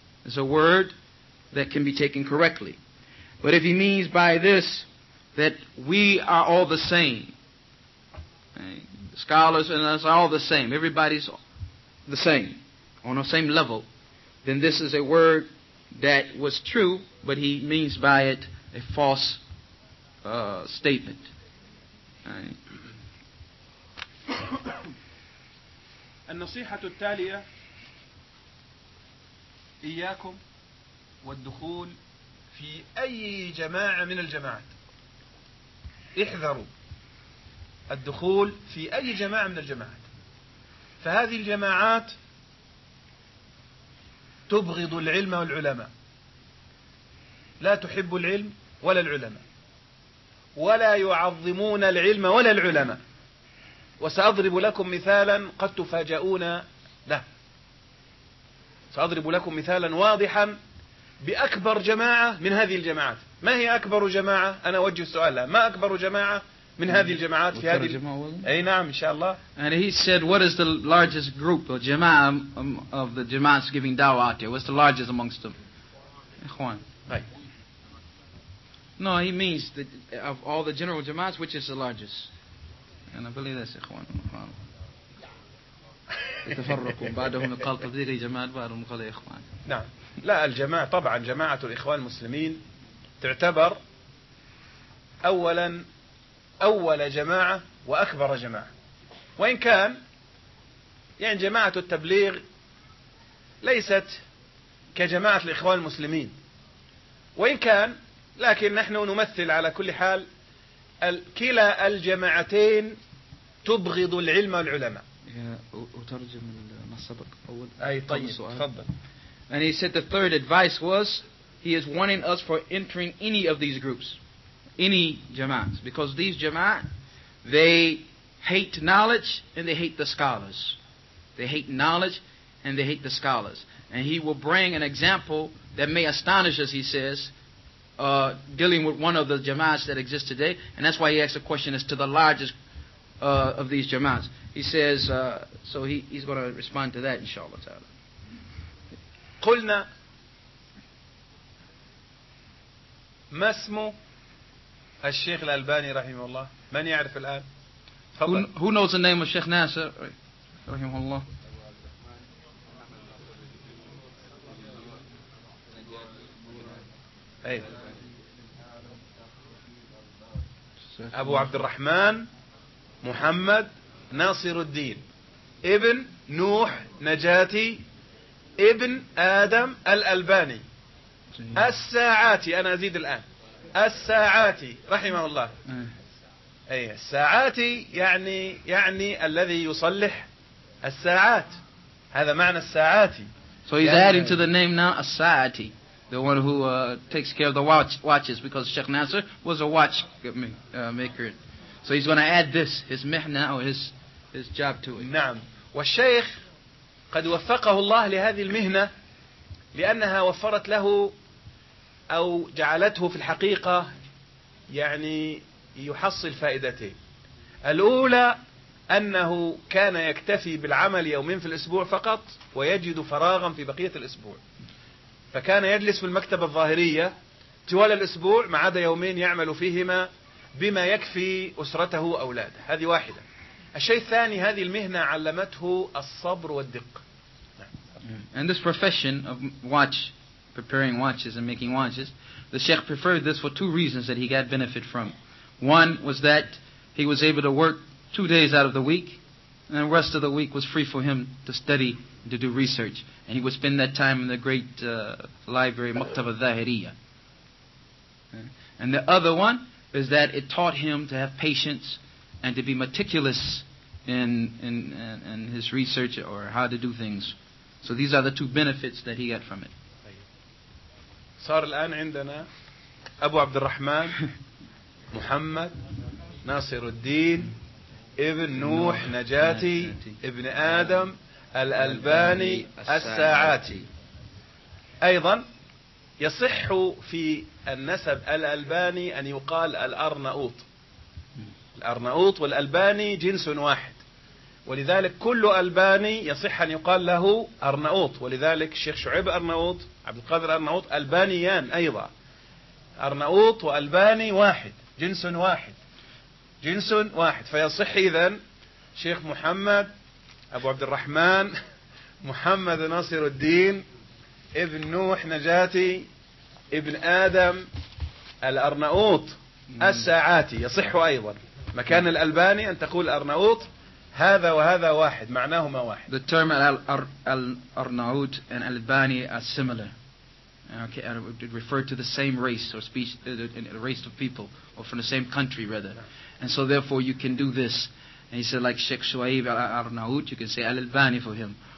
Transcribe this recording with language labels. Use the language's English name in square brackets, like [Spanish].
[English] It's a word that can be taken correctly. But if he means by this that we are all the same, right? Scholars and us are all the same, everybody's the same, on the same level, then this is a word that was true, but he means by it a false statement. [Arabic] النصيحة التالية إياكم والدخول في أي جماعة من الجماعات. احذروا الدخول في أي جماعة من الجماعات. فهذه الجماعات تبغض العلم والعلماء. لا تحب العلم ولا العلماء. ولا يعظمون العلم ولا العلماء. وسأضرب لكم مثالا قد تفاجؤون له. سأضرب لكم مثالا واضحا بأكبر جماعة من هذه الجماعات. ما هي أكبر جماعة؟ أنا أوجه السؤال لها. ما أكبر جماعة من هذه الجماعات في هذه الجماعة؟ أي نعم إن شاء الله. [English] And he said, what is the largest group or jama'ah of the jama'ahs giving dawah out there? What's the largest amongst them? [Arabic] إخوان. [English] Right. No, he means that of all the general jama'ahs, which is the largest? And I believe that's إخوان. [Arabic] تفرقوا بعدهم قال تفضيل جماعات بعدهم قال إخوان. نعم. لا الجماعة طبعا جماعة الإخوان المسلمين تعتبر أولا أول جماعة وأكبر جماعة. وإن كان يعني جماعة التبليغ ليست كجماعة الإخوان المسلمين. وإن كان لكن نحن نمثل على كل حال كلا الجماعتين تبغض العلم والعلماء. أترجم ما سبق أول. أي طيب تفضل. [English] And he said the third advice was he is warning us for entering any of these groups. Any jama'ats, because these jama'at, they hate knowledge and they hate the scholars. They hate knowledge and they hate the scholars. And he will bring an example that may astonish us, he says, dealing with one of the jama'ats that exist today. And that's why he asked the question as to the largest of these jama'ats. He says, so he's going to respond to that, inshallah ta'ala. [Arabic] قُلْنَا مَسْمُ الشيخ الألباني رحمه الله من يعرف الآن [English] Who knows the name of Sheikh Nasser [Arabic] رحمه الله أبو عبد الرحمن محمد ناصر الدين ابن نوح نجاتي ابن آدم الألباني الساعاتي أنا أزيد الآن الساعاتي رحمه الله أي الساعات يعني الذي يصلح الساعات. هذا معنى الساعات. [English] So he's adding to the name now, الساعات, the one who takes care of the watches, because Sheikh Nasser was a watch maker. So he's going to add this, his mihna or his job to it. [Arabic] نعم. والشيخ قد وفقه الله لهذه المهنة لأنها وفرت له أو جعلته في الحقيقة يعني يحصل فائدتين. الأولى أنه كان يكتفي بالعمل يومين في الأسبوع فقط ويجد فراغا في بقية الأسبوع، فكان يجلس في المكتبة الظاهرية طوال الأسبوع ما عدا يومين يعمل فيهما بما يكفي أسرته وأولاده. هذه واحدة. الشيء الثاني، هذه المهنة علمته الصبر والدقة. [English] And this profession of watch, preparing watches and making watches, the Sheikh preferred this for two reasons that he got benefit from. One was that he was able to work 2 days out of the week, and the rest of the week was free for him to study and to do research. And he would spend that time in the great library, Maktaba Zahiriya. And the other one is that it taught him to have patience and to be meticulous in his research or how to do things. So these are the two benefits that he got from it. [Arabic] صار الآن عندنا أبو عبد الرحمن محمد ناصر الدين ابن نوح نجاتي ابن آدم الألباني الساعاتي. أيضا يصح في النسب الألباني أن يقال الأرناؤوط. الأرناؤوط والألباني جنس واحد، ولذلك كل ألباني يصح أن يقال له أرناؤوط، ولذلك الشيخ شعيب أرناؤوط، عبد القادر أرناؤوط، ألبانيان أيضا. أرناؤوط وألباني واحد، جنس واحد، جنس واحد. فيصح إذن شيخ محمد أبو عبد الرحمن محمد ناصر الدين ابن نوح نجاتي ابن آدم الأرناؤوط الساعاتي، يصح أيضا مكان الألباني أن تقول أرناؤوط هذا وهذا واحد، معناهما واحد. [English] The term al-Arnaut and Albani are similar. Okay, it referred to the same race or species, race of people, or from the same country rather. And so therefore you can do this. And he said like Sheikh Shuaib al-Arnaut, you can say al-Albani for him.